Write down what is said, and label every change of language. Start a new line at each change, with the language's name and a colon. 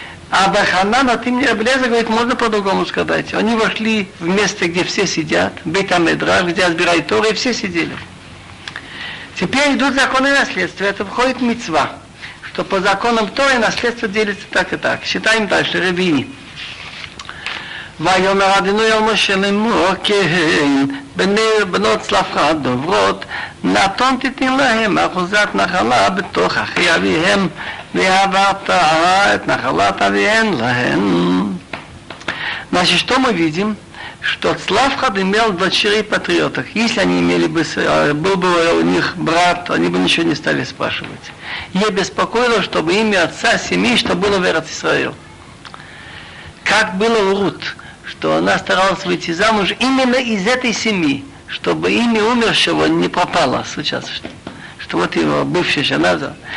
Russian: А Баханан, а ты мне облезай, говорит, можно по-другому сказать. Они вошли в место, где все сидят, Бейт-Амидраш, где отбирают Тору, и все сидели. Теперь идут законы наследства, это входит мицва, что по законам Торы наследство делится так и так. Считаем дальше, Рабини.
Hebrew: ויאמר אדוני אל משה לאמור כן בני בנות צלפחד דוברות נתון תיתן להם אחוזת נחלה בתוך אחי אביהם ועברת את נחלת אביהם להם.
Russian: Значит, что мы видим? Что Славхад имел дочерей патриоток. Если они имели бы, был бы у них брат, они бы ничего не стали спрашивать. Ей беспокоило, чтобы имя отца семьи, что было в Эрец Исраил. Как было у Рут, что она старалась выйти замуж именно из этой семьи, чтобы имя умершего не пропало сейчас, что вот его бывшая жена.